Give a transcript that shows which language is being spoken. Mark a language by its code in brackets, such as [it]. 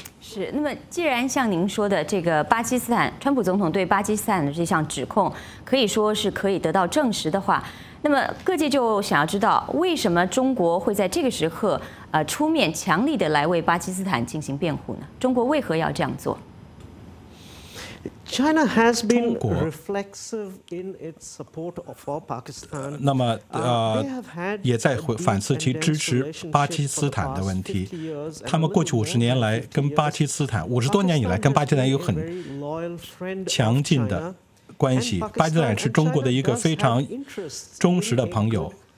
[zh] 是，那么既然像您说的，这个巴基斯坦，川普总统对巴基斯坦的这项指控可以说是可以得到证实的话，那么各界就想要知道，为什么中国会在这个时刻出面强力的来为巴基斯坦进行辩护呢？中国为何要这样做？ [en] China has been reflexive in its support for Pakistan. [zh] 那么也在反思其支持巴基斯坦的问题。他们过去五十多年以来跟巴基斯坦有很强劲的关系。巴基斯坦是中国的一个非常忠实的朋友。